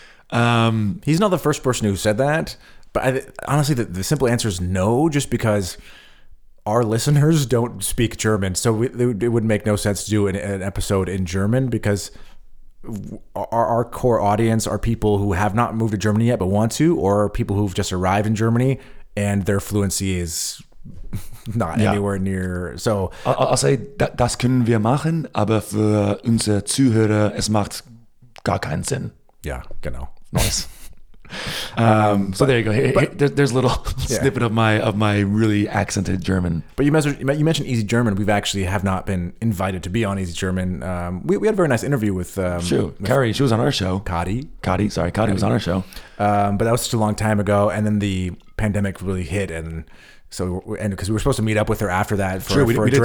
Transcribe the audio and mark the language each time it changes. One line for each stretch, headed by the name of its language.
English: He's not the first person who said that. But I, honestly, the simple answer is no, just because our listeners don't speak German. So it would make no sense to do an episode in German, because our core audience are people who have not moved to Germany yet but want to, or people who've just arrived in Germany and their fluency is not anywhere near. So I'll say
German: das können wir machen, aber für unsere Zuhörer es macht gar keinen Sinn.
English: Yeah, genau. Nice. there you go. There's a little snippet of my really accented German. But you mentioned Easy German. We've actually have not been invited to be on Easy German. We had a very nice interview with Carrie. She was on our show. Cadi was on our show. But that was such a long time ago. And then the pandemic really hit, and because we were supposed to meet up with her after that for a drink,